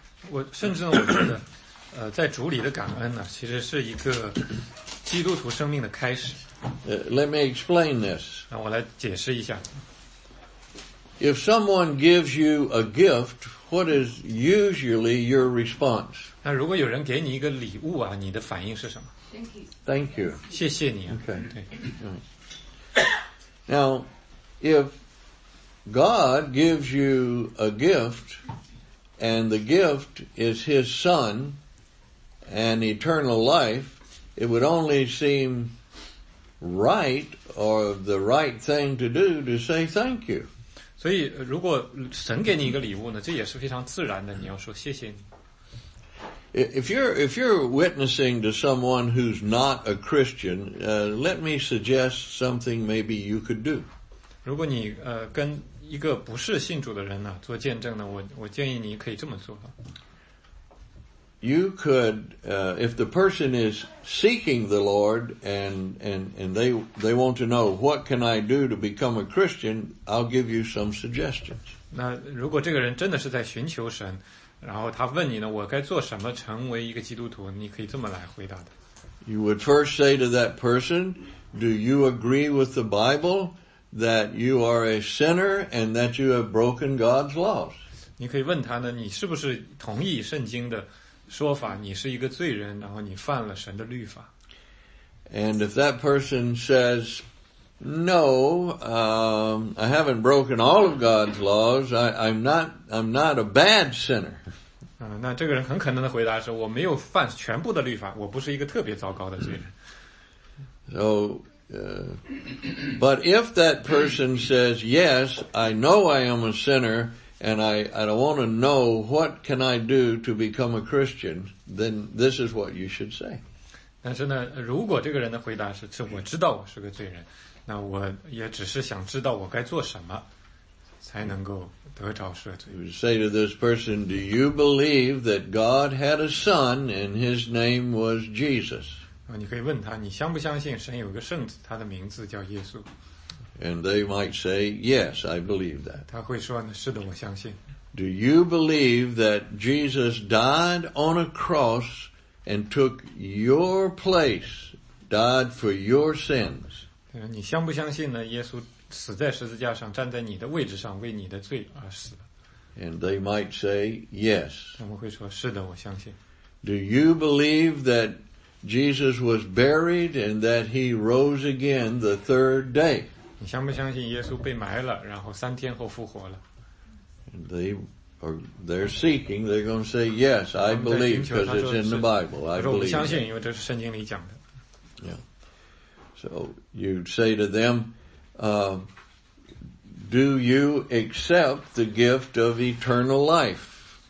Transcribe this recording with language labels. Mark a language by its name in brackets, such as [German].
[Chinese] 我甚至呢我觉得在主里的感恩呢，其实是一个基督徒生命的开始。 [English] Let me explain this. [Chinese] 让我来解释一下。 [English] If someone gives you a gift, what is usually your response? [Chinese] 那如果有人给你一个礼物啊，你的反应是什么 [English] ？Thank you. Thank you. [Chinese] 谢谢你啊。 [English] Okay. [Chinese] 对。 [English] Now, if God gives you a gift, and the gift is His Son. And eternal life, it would only seem right or the right thing to do to say thank you. [Chinese] 所以如果神给你一个礼物呢，这也是非常自然的，你要说谢谢你。 [English] If you're witnessing to someone who's not a Christian, let me suggest something maybe you could do. [Chinese] 如果你跟一个不是信主的人呢做见证呢，我建议你可以这么做。 [English] You could, if the person is seeking the Lord and they want to know what can I do to become a Christian, I'll give you some suggestions. [Chinese] 那如果这个人真的是在寻求神，然后他问你呢，我该做什么成为一个基督徒？你可以这么来回答的。 [English] You would first say to that person, "Do you agree with the Bible that you are a sinner and that you have broken God's laws?" [Chinese] 你可以问他呢，你是不是同意圣经的说法？你是一个罪人，然后你犯了神的律法。 [English] And if that person says, "No, I haven't broken all of God's laws. I'm not a bad sinner." [Chinese] 那这个人很可能的回答是，我没有犯全部的律法，我不是一个特别糟糕的罪人。 [English] So, but if that person says, "Yes, I know I am a sinner." And I don't want to know what can I do to become a Christian, then this is what you should say. [Chinese] 但是呢，如果这个人的回答是，是我知道我是个罪人，那我也只是想知道我该做什么才能够得着赦罪。 [English] You say to this person, "Do you believe that God had a son and his name was Jesus?" [Chinese] 你可以问他，你相不相信神有个圣子，他的名字叫耶稣。 [English] And they might say, "Yes, I believe that." [Chinese] 他会说呢，是的，我相信。 [English] Do you believe that Jesus died on a cross and took your place, died for your sins? [Chinese] 你相不相信呢？耶稣死在十字架上，站在你的位置上，为你的罪而死。 [English] And they might say, "Yes." [Chinese] 他们会说，是的，我相信。 [English] Do you believe that Jesus was buried and that he rose again the third day? [Chinese] 你相不相信耶稣被埋了，然后三天后复活了？ [English] They're seeking. They're going to say, "Yes, I believe because it's in the Bible. I believe." [Chinese] 我相信，因为这是圣经里讲的。 [English] Yeah. So you say to them, "Do you accept the gift of eternal life?"